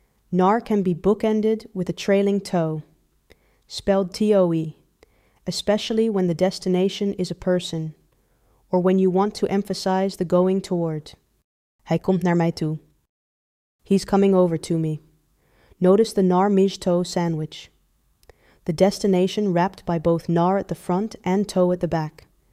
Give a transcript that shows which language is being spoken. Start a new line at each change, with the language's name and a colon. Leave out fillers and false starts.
English: Naar can be bookended with a trailing toe, spelled T-O-E, especially when the destination is a person, or when you want to emphasize the going toward.
Dutch: Hij komt naar mij toe.
English: He's coming over to me. Notice the
Dutch: naar mij toe
English: sandwich. The destination wrapped by both naar at the front and toe at the back.